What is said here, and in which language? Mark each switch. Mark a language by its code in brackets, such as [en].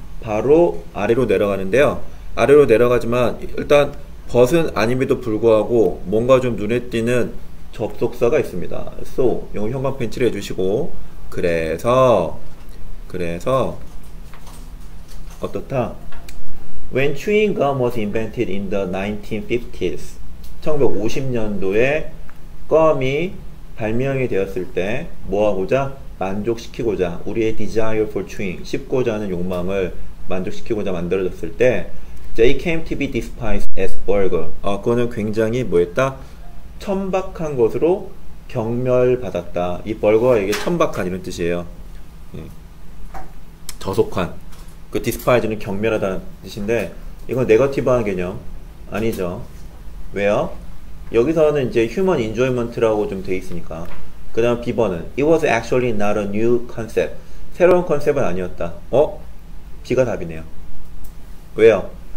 [ko] 바로 아래로 내려가는데요. 아래로 내려가지만 일단 but은 아님에도 불구하고 뭔가 좀 눈에 띄는 접속사가 있습니다. so 영어 현관 펜치를 해주시고 그래서 어떻다? [en] When chewing gum was invented in the 1950s, [ko] 1950년도에 껌이 발명이 되었을 때 뭐하고자? 만족시키고자, 우리의 [en] desire for chewing, [ko] 씹고자 하는 욕망을 만족시키고자 만들어졌을 때 [en] they came to be despised as burger. [ko] 그거는 굉장히 뭐했다? 천박한 것으로 경멸받았다. 이 벌거가 이게 천박한 이런 뜻이에요. 저속한. 그 디스파이즈는 경멸하다는 뜻인데 이건 네거티브한 개념 아니죠. 왜요? 여기서는 이제 휴먼 인조이먼트라고 좀 돼 있으니까. 그 다음 B번은 [en] It was actually not a new concept. [ko] 새로운 컨셉은 아니었다. 어? B가 답이네요. 왜요?